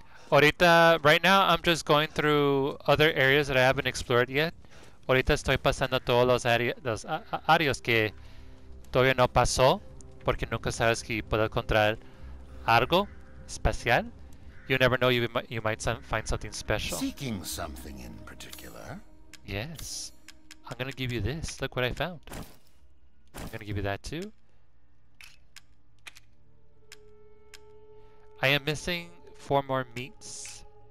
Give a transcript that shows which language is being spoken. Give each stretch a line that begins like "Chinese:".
English: Ahorita, right now, I'm just going through other areas that I haven't explored yet.
Spanish: Ahorita estoy pasando todos los áreas que todavía no pasó porque nunca sabes que puedo encontrar algo especial.
English: You never know, you might find something special. Seeking something in particular? Yes. I'm gonna give you this. Look what I found. I'm gonna give you that too. I am missing 4 more meats.